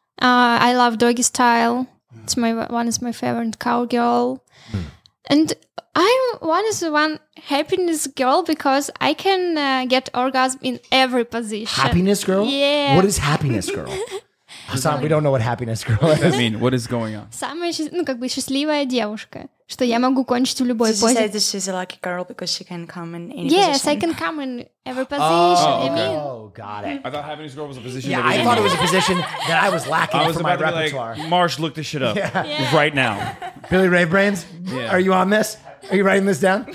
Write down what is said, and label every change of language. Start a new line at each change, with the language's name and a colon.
English: I love doggy style. It's my one is my favorite cowgirl. And I'm one happiness girl because I can get orgasm in every position. Happiness girl? Yeah. What is happiness girl? Hasan, we don't know what happiness girl is. What does that mean? What is going on?
Russian: Самая, ну, как бы счастливая девушка, что я могу кончить в любой позе.
English: She said that she's a lucky girl because she can come in any position. Yes, I can come in every position. Got it. I thought happiness girl was a position. Yeah, I thought it was a position that I was lacking from my repertoire. Like, Marsh, look this shit up right now. Billy Ray Brains, are you on this? Are you writing this down?